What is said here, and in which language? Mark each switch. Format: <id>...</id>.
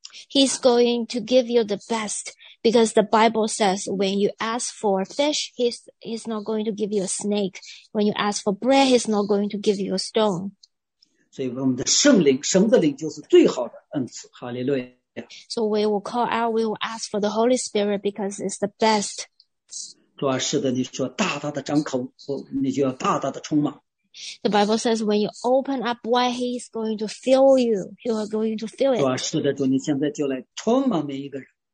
<en>He's going to give you the best, because the Bible says when you ask for fish, he's not going to give you a snake. When you ask for bread, he's not going to give you a stone.</en> <zh>所以我们的圣灵，神的灵就是最好的恩赐。哈利路亚。</zh> <en>So we will call out, we will ask for the Holy Spirit because it's the best.</en> <zh>主啊，是的，你说大大的张口，你就要大大的充满。</zh> <en>The Bible says when you open up wide, he's going to fill you. You are going to fill it.</en> <zh>主啊，是的，主，你现在就来充满每一个人。</zh>